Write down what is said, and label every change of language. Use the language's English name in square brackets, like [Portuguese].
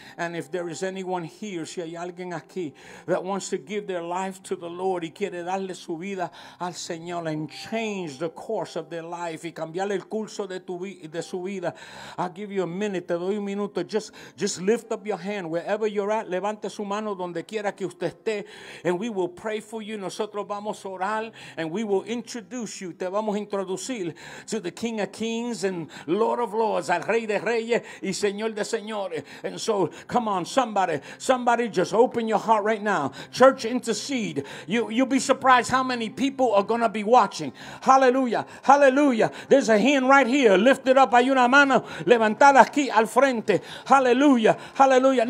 [English] And if there is anyone here, [Spanish] si hay alguien aquí, [English] that wants to give their life to the Lord, [Spanish] y quiere darle su vida al Señor, [English] and change the course of their life, [Spanish] y cambiarle el curso de su vida, [English] I'll give you a minute. [Spanish] Te doy un minuto. [English] Just lift up your hand wherever you're at. [Spanish] Levante su mano donde quiera que usted esté. [English] And we will pray for you. [Spanish] Nosotros vamos a orar. [English] And we will introduce you. [Spanish] Te vamos a introducir [English] to the King of Kings and Lord of Lords. [Spanish] Al Rey de Reyes y Señor de Señores. [English] And so, come on, somebody just open your heart right now. Church, intercede. You'll be surprised how many people are going to be watching. Hallelujah. Hallelujah. There's a hand right here. Lift it up. [Spanish] Hay una mano levantada aquí al frente. Hallelujah. Hallelujah.